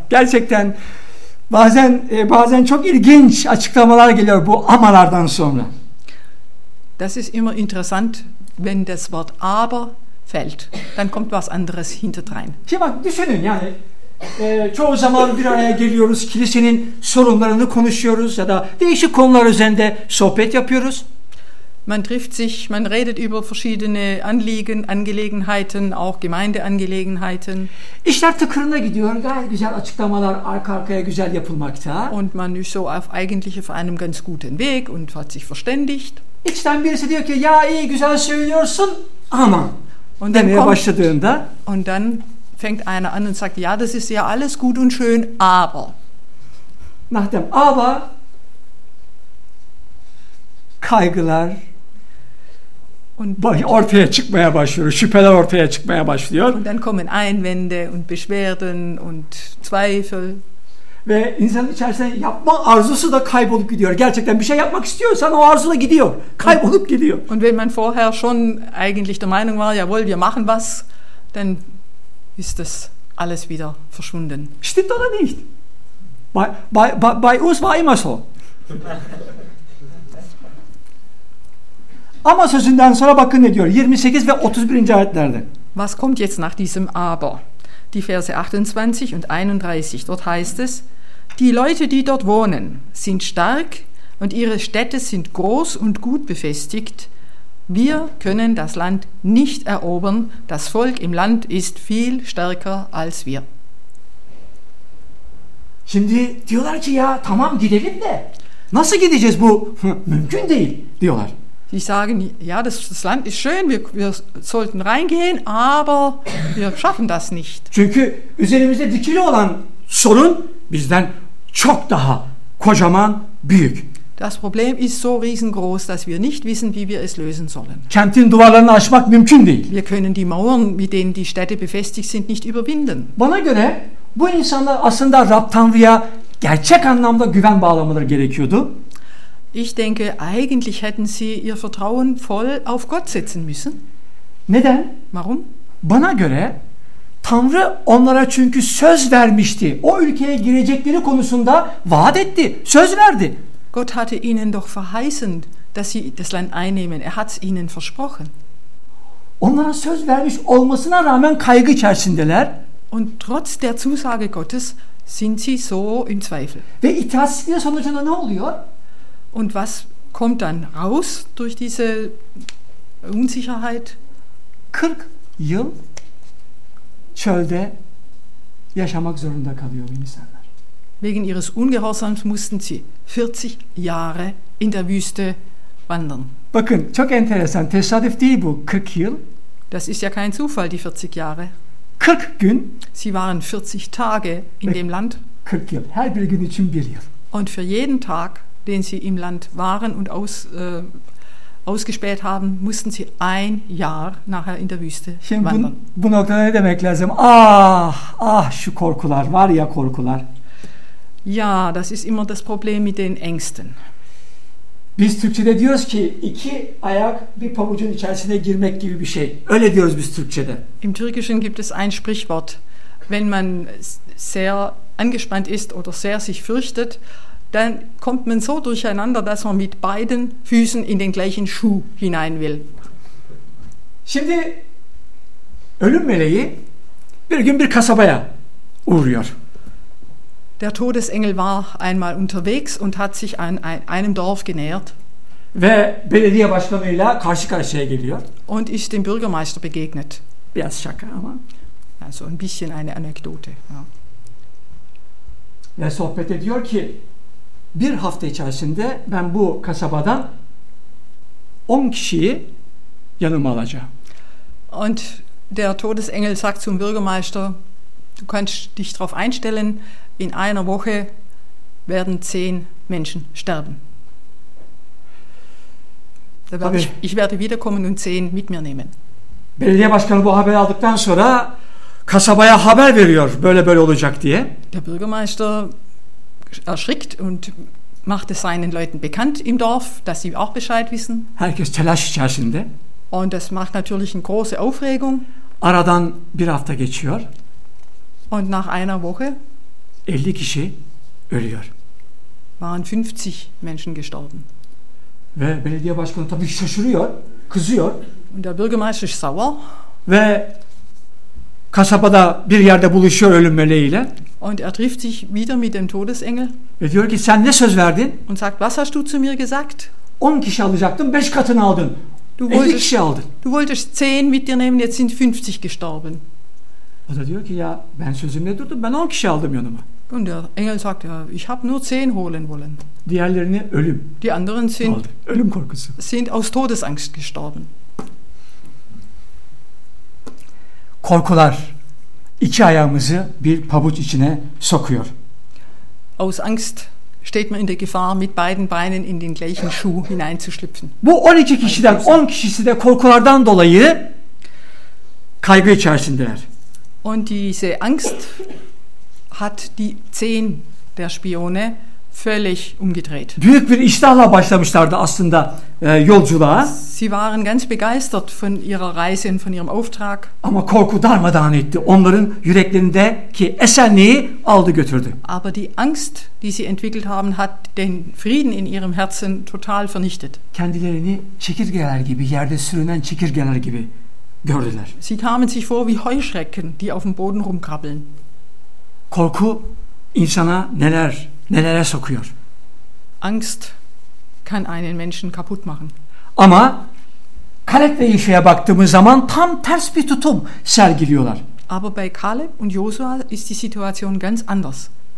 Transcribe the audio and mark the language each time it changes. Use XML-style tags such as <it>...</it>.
<tr>Gerçekten bazen çok ilginç açıklamalar geliyor bu amalardan sonra.</tr> <de>Das ist immer interessant, wenn das Wort aber fällt, dann kommt was anderes hinterdrein.</de> <tr>Şimdi bak düşünün yani çoğu zaman bir araya geliyoruz, kilisenin sorunlarını konuşuyoruz ya da değişik konular üzerinde sohbet yapıyoruz.</tr> <de>Man trifft sich, man redet über verschiedene Anliegen, Angelegenheiten, auch Gemeindeangelegenheiten.</de> <tr>İşler tıkırına gidiyor, gayet güzel açıklamalar arka arkaya güzel yapılmakta.</tr> <de>Und man ist so auf eigentlich auf einem ganz guten Weg und hat sich verständigt.</de> <tr>İçten birisi diyor ki, ya iyi güzel söylüyorsun ama und demeye kommt, başladığında.</tr> <de>Und dann fängt einer an und sagt, ja, das ist ja alles gut und schön, aber. Nach dem aber</de> <tr>kaygılar ortaya çıkmaya başlıyor. Şüpheler ortaya çıkmaya başlıyor.</tr> <de>Und dann kommen Einwände und Beschwerden und Zweifel.</de> <tr>Ve insanın içerisinde yapma arzusu da kaybolup gidiyor. Gerçekten bir şey yapmak istiyorsan o arzu da gidiyor. Kaybolup gidiyor.</tr> <de>Und wenn man vorher schon eigentlich der Meinung war, jawohl, wir machen was, dann ist das alles wieder verschwunden. Stimmt oder nicht? Bei uns war immer so.</de> <tr>Ama sözünden sonra bakın ne diyor 28 ve 31. ayetlerde.</tr> <de>Was kommt jetzt nach diesem aber? Die Verse 28 und 31. Dort heißt es: Die Leute, die dort wohnen, sind stark und ihre Städte sind groß und gut befestigt. Wir können das Land nicht erobern. Das Volk im Land ist viel stärker als wir.</de> <tr>Şimdi diyorlar ki ya tamam gidelim de. Nasıl gideceğiz bu? Mümkün değil diyorlar.</tr> <de>Die sagen, ja, das Land ist schön, wir sollten reingehen, aber wir schaffen das nicht.</de> <tr>Çünkü üzerimizde dikili olan sorun bizden çok daha kocaman büyük.</tr> <de>Das Problem ist so riesengroß, dass wir nicht wissen, wie wir es lösen sollen.</de> <tr>Kentin duvarlarını aşmak mümkün değil.</tr> <de>Wir können die Mauern, mit denen die Städte befestigt sind, nicht überwinden.</de> <tr>Bana göre bu insanlar aslında Rab Tanrı'ya gerçek anlamda güven bağlamaları gerekiyordu.</tr> <de>Ich denke, eigentlich hätten sie ihr Vertrauen voll auf Gott setzen müssen.</de> <tr>Neden?</tr> <de>Warum?</de> <tr>Bana göre Tanrı onlara çünkü söz vermişti. O ülkeye girecekleri konusunda vaat etti, söz verdi.</tr> <de>Gott hatte ihnen doch verheißen, dass sie das Land einnehmen. Er hat es ihnen versprochen.</de> <tr>Onlara söz vermiş olmasına rağmen kaygı içerisindeler.</tr> <de>Und trotz der Zusage Gottes sind sie so im Zweifel.</de> <tr>Ve itaatsizliğin sonucunda ne oluyor?</tr> <de>Und was kommt dann raus durch diese Unsicherheit?</de> <tr>40 yıl çölde yaşamak zorunda kalıyor insanlar.</tr> <de>Wegen ihres Ungehorsams mussten sie 40 Jahre in der Wüste wandern.</de> <tr>Bakın, çok enteresan. Tesadüf değil bu 40 yıl.</tr> <de>Das ist ja kein Zufall, die 40 Jahre.</de> <tr>40 gün.</tr> <de>Sie waren 40 Tage in dem Land.</de> <tr>40 yıl. Her bir gün için bir yıl.</tr> <de>Und für jeden Tag den sie im Land waren und ausgespäht haben, mussten sie ein Jahr nachher in der Wüste</de> <tr>Şimdi</tr> <de>wandern.</de> <tr>Bu noktada ne demek lazım? Ah, şu korkular, var ya korkular.</tr> <de>Ja, das ist immer das Problem mit den Ängsten.</de> <tr>Biz Türkçe'de diyoruz ki iki ayak bir pabucun içerisine girmek gibi bir şey. Öyle diyoruz biz Türkçe'de.</tr> <de>Im Türkischen gibt es ein Sprichwort, wenn man sehr angespannt ist oder sehr sich fürchtet, dann kommt man so durcheinander, dass man mit beiden Füßen in den gleichen Schuh hinein will.</de> <tr>Şimdi ölüm meleği bir gün bir kasabaya uğruyor.</tr> <de>Der Todesengel war einmal unterwegs und hat sich an einem Dorf genähert.</de> <tr>Ve belediye başkanıyla karşı karşıya geliyor.</tr> <de>Und ist dem Bürgermeister begegnet.</de> <tr>Biraz şaka ama.</tr> <de>Also ein bisschen eine Anekdote. Ja.</de> <tr>Ve sohbet ediyor ki bir hafta içerisinde ben bu kasabadan 10 kişiyi yanıma alacağım.</tr> <de>Und der Todesengel sagt zum Bürgermeister, du kannst dich darauf einstellen, in einer Woche werden 10 Menschen sterben. Ich werde wiederkommen und 10 mit mir nehmen.</de> <tr>Belediye başkanı bu haberi aldıktan sonra kasabaya haber veriyor, böyle böyle olacak diye.</tr> <de>Der Bürgermeister erschrickt und macht es seinen Leuten bekannt im Dorf, dass sie auch Bescheid wissen.</de> <tr>Herkes telaş içerisinde.</tr> <de>Und das macht natürlich eine große Aufregung.</de> <tr>Aradan bir hafta geçiyor.</tr> <de>Und nach einer Woche?</de> <tr>50 kişi ölüyor.</tr> <de>Waren 50 Menschen gestorben.</de> <tr>Ve belediye başkanı tabii şaşırıyor, kızıyor.</tr> <de>Und der Bürgermeister ist sauer.</de> <tr>Ve kasabada bir yerde buluşuyor ölüm meleğiyle.</tr> <de>Und trifft sich wieder mit dem Todesengel.</de> <tr>Ve diyor ki sen ne söz verdin?</tr> <de>Und sagt, was hast du zu mir gesagt?</de> <tr>10 kişi alacaktın, 5 katını aldın. 50 kişi aldın.</tr> <de>Du wolltest 10 mit dir nehmen, jetzt sind 50 gestorben.</de> <tr>O da diyor ki ya ben sözümde durdum, ben 10 kişi aldım yanıma.</tr> <de>Und der Engel sagt, ja, ich habe nur 10 holen wollen.</de> <tr>Diğerlerini ölüm.</tr> <de>Die anderen sind,</de> <tr>ölüm korkusu.</tr> <de>Sind aus Todesangst gestorben.</de> <tr>Korkular iki ayağımızı bir pabuç içine sokuyor.</tr> <de>Aus Angst steht man in der Gefahr, mit beiden Beinen in den gleichen Schuh hineinzuschlüpfen.</de> <tr>Bu 12 kişiden 10 kişisi de korkulardan dolayı kaygı içerisindeler.</tr> <de>Und diese Angst hat die 10 der Spione völlig umgedreht.</de> <tr>Büyük bir iştahla başlamışlardı aslında yolculuğa.</tr> <de>Sie waren ganz begeistert von ihrer Reise und von ihrem Auftrag.</de> <tr>Ama korku darmadağın etti. Onların yüreklerindeki esenliği aldı götürdü.</tr> <de>Aber die Angst, die sie entwickelt haben, hat den Frieden in ihrem Herzen total vernichtet.</de> <tr>Kendilerini çekirgeler gibi, yerde sürünen çekirgeler gibi gördüler.</tr> <de>Sie kamen sich vor wie Heuschrecken, die auf dem Boden rumkrabbeln.</de> <tr>Korku insana neler nelere sokuyor.</tr> <de>Angst kann einen Menschen kaputt machen.</de> <tr>Ama Kaleb ve Yeşe'ye baktığımız zaman tam ters bir tutum sergiliyorlar.</tr> <de>Aber bei Kaleb und Josua ist die Situation ganz anders.</de>